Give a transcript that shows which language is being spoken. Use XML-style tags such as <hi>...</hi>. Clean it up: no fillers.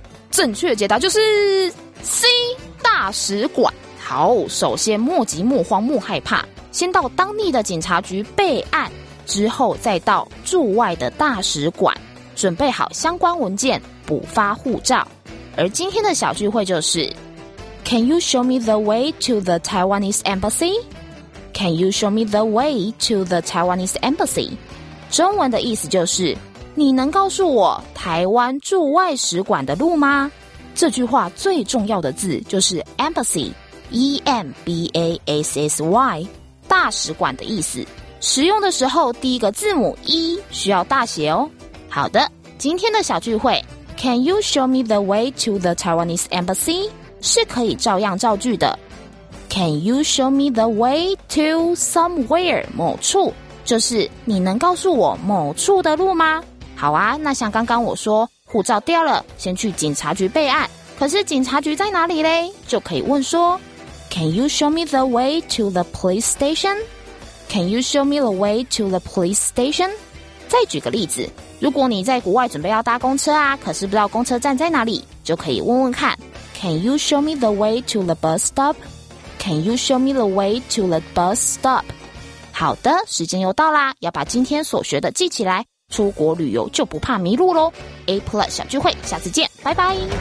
<zh>正确解答就是 C 大使馆。好，首先莫急莫慌莫害怕，先到当地的警察局备案，之后再到驻外的大使馆准备好相关文件，补发护照。而今天的小聚会就是</zh> <en>Can you show me the way to the Taiwanese Embassy? Can you show me the way to the Taiwanese Embassy?</en> <zh>中文的意思就是你能告诉我台湾驻外使馆的路吗？这句话最重要的字就是 Embassy, E-M-B-A-S-S-Y, 大使馆的意思。使用的时候第一个字母 E 需要大写哦。好的，今天的小聚会</zh> <en>Can you show me the way to the Taiwanese Embassy?</en> <zh>是可以照样造句的。</zh> <en>Can you show me the way to somewhere?</en> <zh>某处，就是你能告诉我某处的路吗？好啊，那像刚刚我说护照掉了，先去警察局备案，可是警察局在哪里嘞？就可以问说</zh> <en>Can you show me the way to the police station? Can you show me the way to the police station?</en> <zh>再举个例子，如果你在国外准备要搭公车啊，可是不知道公车站在哪里，就可以问问看</zh> <en>Can you show me the way to the bus stop? Can you show me the way to the bus stop?</en> <zh>好的，时间又到啦，要把今天所学的记起来，出国旅游就不怕迷路咯。 A Plus 小聚会，下次见，拜拜。</zh>